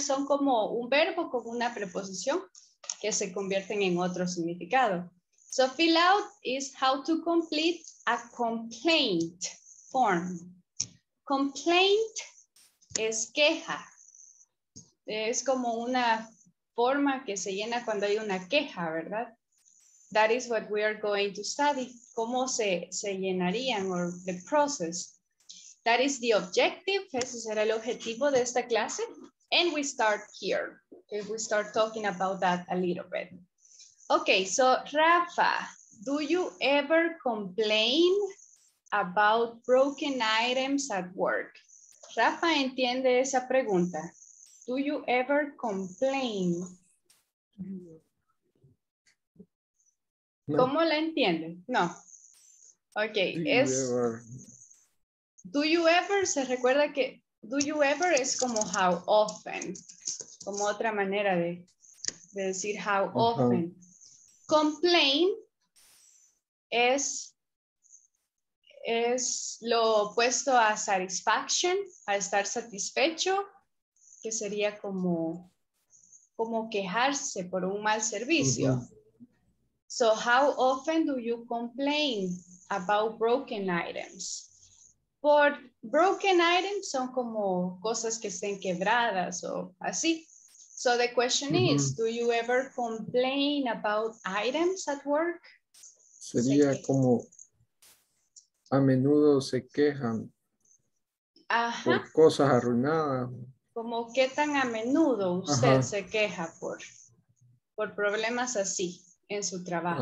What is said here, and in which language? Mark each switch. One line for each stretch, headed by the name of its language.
Spanish: Son como un verbo con una preposición que se convierten en otro significado.
English: So fill out is how to complete a complaint form.
Spanish: Complaint es queja. Es como una forma que se llena cuando hay una queja, ¿verdad?
English: That is what we are going to study.
Spanish: ¿Cómo se llenarían
English: or the process? That is the objective.
Spanish: Ese será el objetivo de esta clase.
English: And we start here. Okay, we start talking about that a little bit. Okay, so Rafa, do you ever complain about broken items at work?
Spanish: Rafa entiende esa pregunta.
English: Do you ever complain?
Spanish: No. ¿Cómo la entiende? No. Okay, do you ever, se recuerda que do you ever es como how often, como otra manera de decir how often. Complain es lo opuesto a satisfaction, a estar satisfecho, que sería como quejarse por un mal servicio.
English: So how often do you complain about broken items?
Spanish: Por broken items son como cosas que estén quebradas o así.
English: So the question is, do you ever complain about items at work?
Spanish: Sería como a menudo se quejan por cosas arruinadas. Como qué tan a menudo usted se queja por problemas así en su trabajo.